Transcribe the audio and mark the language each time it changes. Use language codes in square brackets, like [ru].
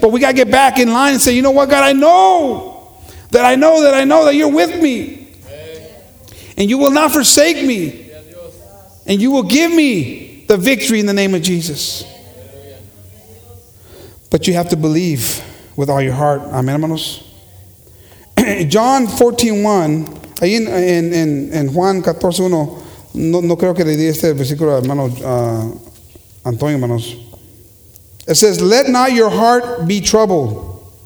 [en] But we got to get back in line and say, you know what, God, I know that you're with me. And you will not forsake me. And you will give me the victory in the name of Jesus. But you have to believe with all your heart. [es] Amen, hermanos. John 14:1, ahí en Juan 14:1, no creo que le di este versículo a hermano Antonio, hermanos. [en] It says, let not your heart be troubled.